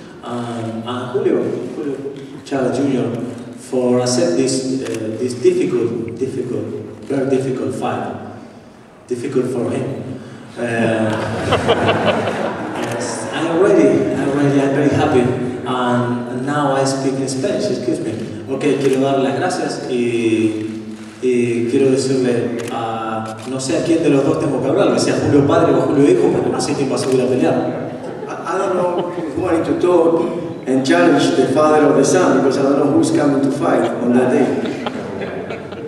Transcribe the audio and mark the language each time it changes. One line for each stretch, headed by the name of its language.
English: And Julio Chavez Jr. for accept this very difficult fight. Difficult for him. yes, I'm ready, I'm very happy. And now I speak in Spanish, excuse me.
Spanish: Okay, quiero dar las gracias y quiero decirle a no sé a quién de los dos tengo que hablar, que sea Julio Padre o Julio Hijo, porque no sé quién va a subir a pelear.
English: I don't know who I need to talk and challenge the father of the son, because I don't know who's coming to fight on that day.